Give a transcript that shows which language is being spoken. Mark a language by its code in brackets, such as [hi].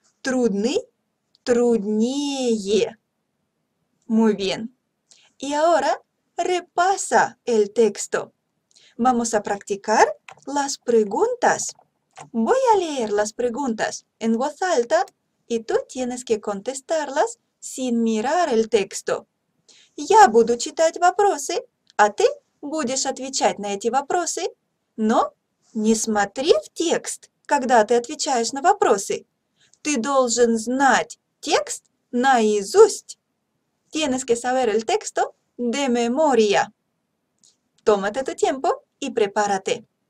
[ru] Трудный. Труднее. [es] Muy bien. Y ahora repasa el texto. Vamos a practicar las preguntas. Voy a leer las preguntas en voz alta y tú tienes que contestarlas sin mirar el texto. [ru] Я буду читать вопросы, а ты будешь отвечать на эти вопросы. Но не смотри в текст, когда ты отвечаешь на вопросы. Ты должен знать текст наизусть. [es] Tienes que saber el texto de memoria. Tómate tu tiempo y prepárate.